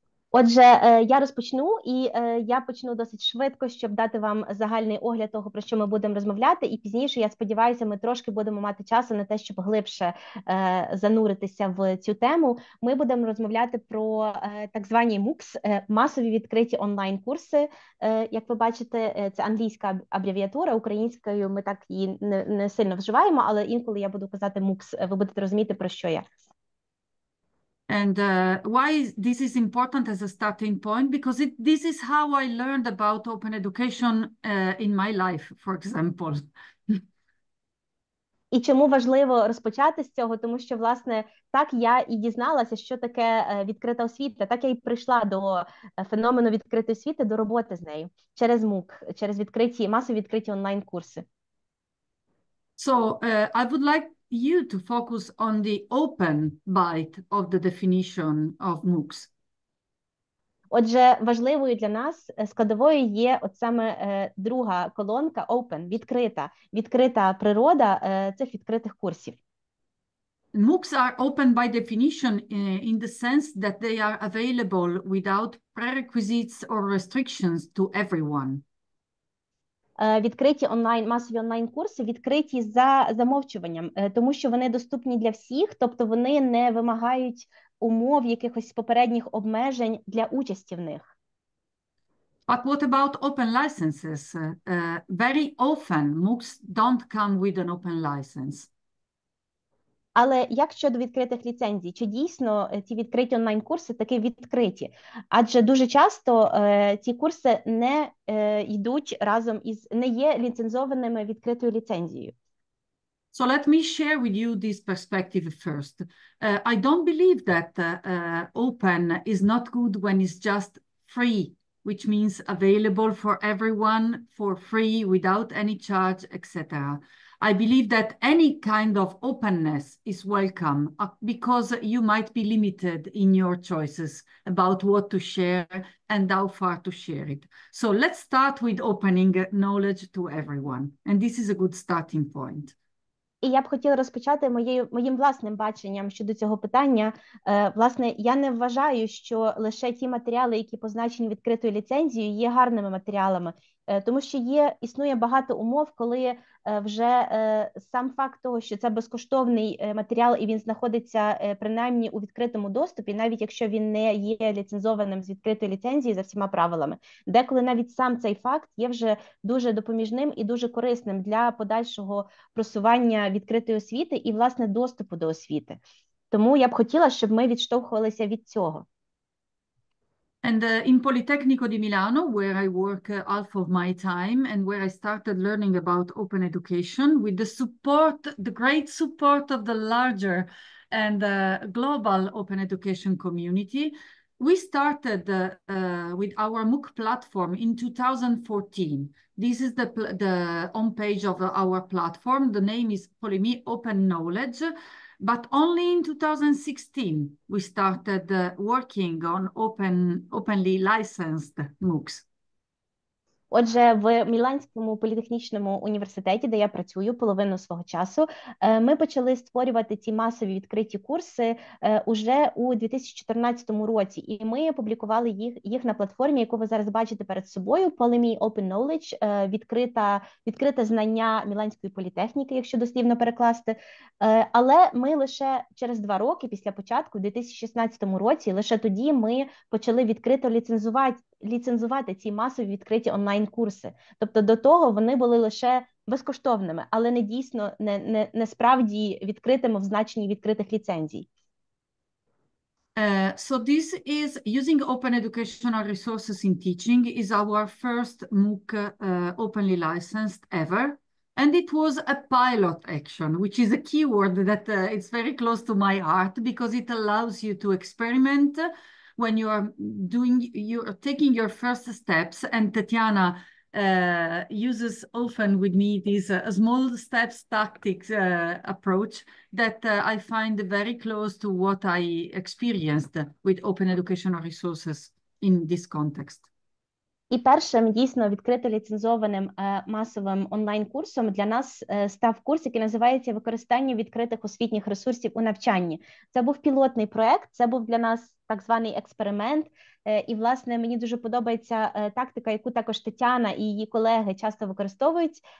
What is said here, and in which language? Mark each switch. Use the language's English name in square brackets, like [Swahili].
[Ukrainian] Отже, я розпочну, і я почну досить швидко, щоб дати вам загальний огляд того, про що ми будемо розмовляти, і пізніше, я сподіваюся, ми трошки будемо мати часу на те, щоб глибше зануритися в цю тему. Ми будемо розмовляти про так звані MOOCs, масові відкриті онлайн-курси. Як ви бачите, це англійська абревіатура, українською ми так її не сильно вживаємо, але інколи я буду казати MOOCs, ви будете розуміти, про що я. [English] And why this is important as a starting point, because this is how I learned about open education in my life, for example. [Ukrainian] І чому важливо розпочати з цього, тому що, власне, так я і дізналася, що таке відкрита освіта, так я і прийшла до феномену відкритої освіти, до роботи з нею, через MOOC, через відкриті, масові відкриті онлайн-курси. [English] So, I would like you to focus on the open bite of the definition of MOOCs. [Ukrainian] Отже, важливою для нас складовою є от саме друга колонка open, відкрита. Відкрита природа цих відкритих курсів. [English] MOOCs are open by definition in the sense that they are available without prerequisites or restrictions to everyone. [Ukrainian] Відкриті онлайн, масові онлайн-курси відкриті за замовчуванням, тому що вони доступні для всіх, тобто вони не вимагають умов якихось попередніх обмежень для участі в них. [English] But what about open licenses? Very often MOOCs don't come with an open license. [Ukrainian] Але як щодо відкритих ліцензій? Чи дійсно ці відкриті онлайн-курси таки відкриті? Адже дуже часто ці курси не йдуть разом із, не є ліцензованими відкритою ліцензією. [English] So let me share with you this perspective first. I don't believe that open is not good when it's just free which means available for everyone for free without any charge, etc. I believe that any kind of openness is welcome because you might be limited in your choices about what to share and how far to share it. So let's start with opening knowledge to everyone. And this is a good starting point. [Ukrainian] І я б хотіла розпочати моїм власним баченням щодо цього питання. Власне, я не вважаю, що лише ті матеріали, які позначені відкритою ліцензією, є гарними матеріалами. Тому що існує багато умов, коли вже сам факт того, що це безкоштовний матеріал, і він знаходиться принаймні у відкритому доступі, навіть якщо він не є ліцензованим з відкритої ліцензії за всіма правилами. Деколи навіть сам цей факт є вже дуже допоміжним і дуже корисним для подальшого просування відкритої освіти і, власне, доступу до освіти. Тому я б хотіла, щоб ми відштовхувалися від цього. [English] And in Politecnico di Milano, where I work half of my time and where I started learning about open education, with the support, the great support of the larger and global open education community, we started with our MOOC platform in 2014. This is the homepage of our platform. The name is Polimi Open Knowledge. But only in 2016, we started working on openly licensed MOOCs. [Ukrainian] Отже, в Міланському політехнічному університеті, де я працюю половину свого часу, ми почали створювати ці масові відкриті курси уже у 2014 році. І ми опублікували їх на платформі, яку ви зараз бачите перед собою, Polimi Open Knowledge, відкрите знання Міланської політехніки, якщо дослівно перекласти. Але ми лише через 2 роки після початку, у 2016 році, лише тоді ми почали відкрито ліцензувати ці масові відкриті онлайн-курси. Тобто до того вони були лише безкоштовними, але не дійсно, не справді відкритими в значенні відкритих ліцензій. [English] So this is using open educational resources in teaching is our first MOOC openly licensed ever. And it was a pilot action, which is a keyword that it's very close to my heart because it allows you to experiment when you are taking your first steps. And Tatiana uses often with me these small steps tactics approach that I find very close to what I experienced with open educational resources in this context. [Ukrainian] І першим дійсно відкрито ліцензованим масовим онлайн-курсом для нас став курс, який називається «Використання відкритих освітніх ресурсів у навчанні». Це був пілотний проект, це був для нас так званий експеримент. І, власне, мені дуже подобається тактика, яку також Тетяна і її колеги часто використовують.